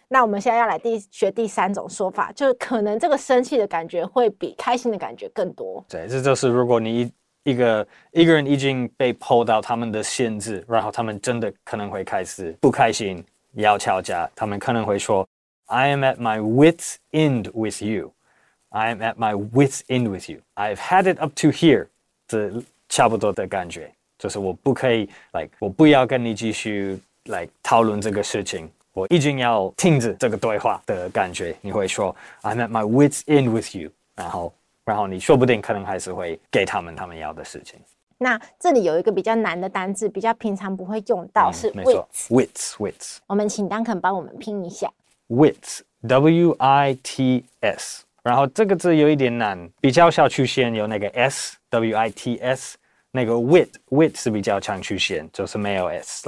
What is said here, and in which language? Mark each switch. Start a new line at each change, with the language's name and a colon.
Chinese: 那我们现在要来学第三种说法，就是可能这个生气的感觉会比开心的感觉更多。对，这就是如果你一个人已经被迫到他们的限制，然后他们真的可能会开始不开心，要吵架，他们可能会说
English: I am at my wit's end with you. I am at my wit's end with you. I've had it up to here.
Chinese: 这差不多的感觉，就是我不可以 ，like 我不要跟你继续 ，like 讨论这个事情。我已经要停止这个对话的感觉。你会说
English: ，I'm at my wit's end with you.
Chinese: 然后你说不定可能还是会给他们要的事情。那这里有一个比较难的单字，比较平常不会用到，是 wit's。没错 ，wit's。我们请Duncan帮我们拼一下。
English: wit's, W-I-T-S。
Chinese: 然后这个字有一点难，比较少出现，有那个 s w i t s， 那个 wit wit 是比较常出现，就是没有 s。